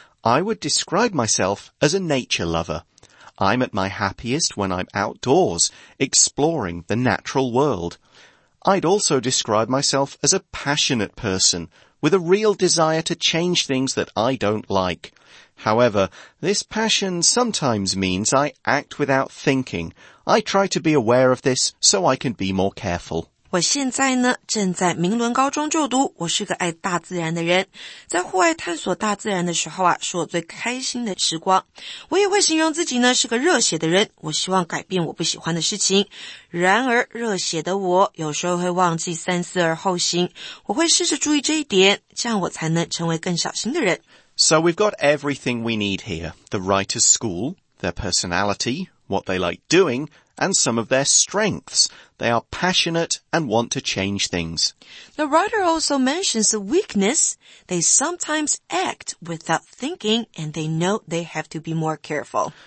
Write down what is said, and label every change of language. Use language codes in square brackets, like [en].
[en] I would describe myself as a nature lover. I'm at my happiest when I'm outdoors, exploring the natural world. I'd also describe myself as a passionate person,with a real desire to change things that I don't like. However, this passion sometimes means I act without thinking. I try to be aware of this so I can be more careful. [zh] 我现在呢正在明伦高中就读，我是个爱大自然的人，在户外探索大自然的时候啊，是我最开心的时光。我也会形容自己呢是个热血的人，我希望改变我不喜欢的事情。然而热血的我有时候会忘记三思而后行，我会试着注意这一点，这样我才能成为更小心的人。 [en] So we've got everything we need here. The writer's school, their personality, what they like doing, and some of their strengths. They are passionate and want to change things. The writer also mentions a weakness. They sometimes act without thinking, and they know they have to be more careful.